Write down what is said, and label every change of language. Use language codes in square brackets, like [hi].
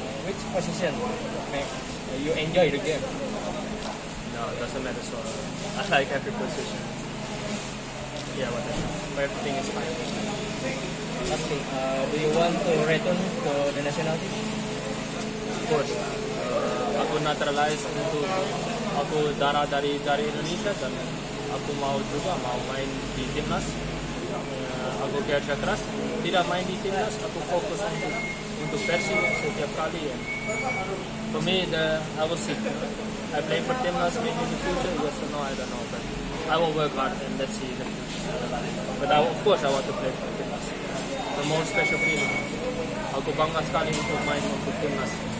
[en] Which position you enjoy the game? No, it doesn't matter. So I like every position. Yeah, whatever. Everything is fine. Last thing, do you want to return to the national team? Of course, [id] aku naturalized untuk aku darah dari Indonesia dan aku mau main di timnas. Aku kerja keras, tidak main di timnas, aku fokus untuk Persib setiap kali. [en] For me, I will see. I play for timnas maybe in the future. Yes or no, I don't know, but I will work hard and let's see. The but of course, I want to play for timnas. The most special feeling. [id] Aku bangga sekali untuk main untuk timnas.